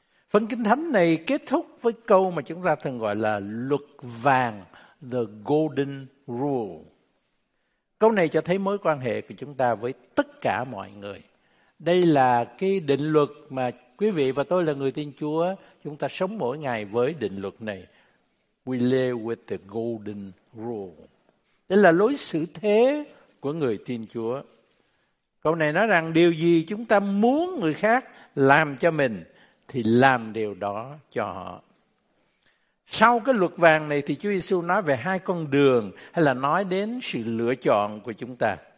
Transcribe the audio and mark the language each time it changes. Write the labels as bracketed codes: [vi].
[vi] Phần Kinh Thánh này kết thúc với câu mà chúng ta thường gọi là luật vàng, [en] the golden rule. [vi] Câu này cho thấy mối quan hệ của chúng ta với tất cả mọi người. Đây là cái định luật mà quý vị và tôi là người tin Chúa, chúng ta sống mỗi ngày với định luật này. [en] We live with the golden rule. [vi] Đây là lối xử thế của người tin Chúa. Câu này nói rằng điều gì chúng ta muốn người khác làm cho mình thì làm điều đó cho họ. Sau cái luật vàng này thì Chúa Giê-xu nói về hai con đường, hay là nói đến sự lựa chọn của chúng ta.